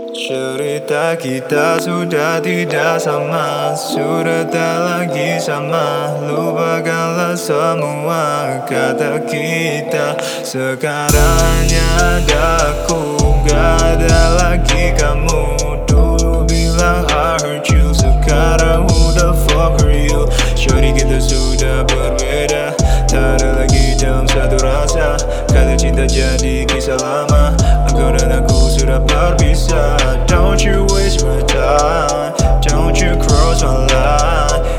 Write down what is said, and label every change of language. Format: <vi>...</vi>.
<id>Cerita kita sudah tidak sama, sudah tak lagi sama. Lupakanlah semua kata kita. Sekarang ada aku, gak ada lagi kamu. Dulu bilang</id> <en>I hurt you,</en> <id>sekarang</id> <en>who the fuck are you?</en> <id>Shorty, kita sudah berbeda, tak ada lagi dalam satu rasa. Kata cinta jadi kisah lama, engkau dan aku sudah berpisah.</id> <en>Don't you waste my time, don't you cross my line.</en>